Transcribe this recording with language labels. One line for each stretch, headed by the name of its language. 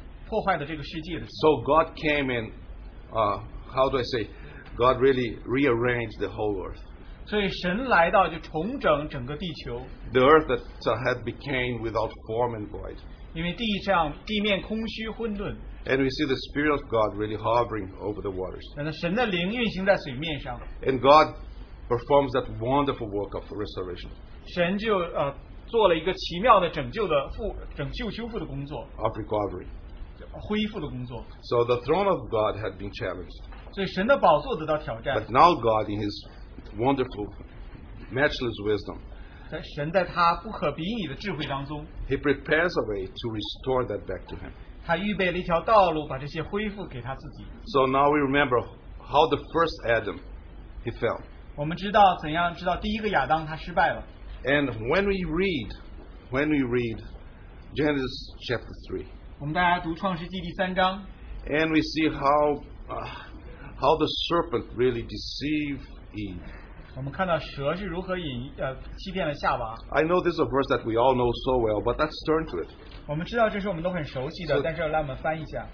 English: So God came in, how do I say, God really rearranged the whole earth.
Chinese: 所以神来到就重整整个地球.
English: The earth that had became without form and void.
Chinese: 因为地上, 地面空虚,
English: and we see the Spirit of God really hovering over the waters. And God performs that wonderful work of restoration.
Chinese: 神就, 做了一个奇妙的拯救的复拯救修复的工作,
English: of recovery.
Chinese: 恢复的工作.
English: So the throne of God had been challenged.
Chinese: 所以神的宝座得到挑战.
English: But now God, in His wonderful, matchless wisdom,
Chinese: 神在他不可比拟的智慧当中,
English: He prepares a way to restore that back to Him.
Chinese: 他预备了一条道路, 把这些恢复给他自己.
English: So now we remember how the first Adam, he fell.
Chinese: 我们知道怎样, 知道第一个亚当他失败了.
English: And when we read Genesis chapter 3,
Chinese: 我们大家读创世纪第三章,
English: and we see how the serpent really deceived Eve.
Chinese: 我们看到蛇是如何引, 欺骗了夏娃.
English: I know this is a verse that we all know so well, but let's turn to it.
Chinese: 我们知道这是我们都很熟悉的, so, 但是让我们翻译一下,